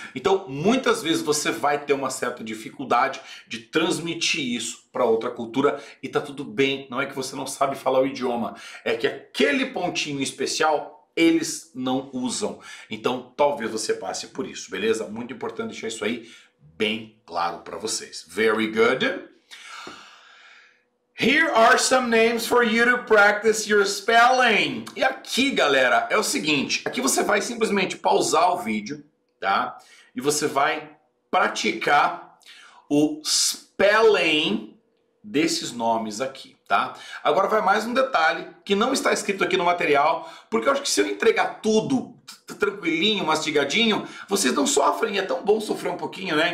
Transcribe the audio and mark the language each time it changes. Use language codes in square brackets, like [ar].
[pt] Então muitas vezes você vai ter uma certa dificuldade de transmitir isso pra outra cultura e tá tudo bem, não é que você não sabe falar o idioma, é que aquele pontinho especial eles não usam. Então talvez você passe por isso, beleza? Muito importante deixar isso aí bem claro para vocês. [en] Very good. Here are some names for you to practice your spelling. [pt] E aqui, galera, é o seguinte. Aqui você vai simplesmente pausar o vídeo, tá? E você vai praticar o spelling desses nomes aqui, tá? Agora vai mais um detalhe que não está escrito aqui no material, porque eu acho que se eu entregar tudo tranquilinho, mastigadinho, vocês não sofrem, é tão bom sofrer um pouquinho, né?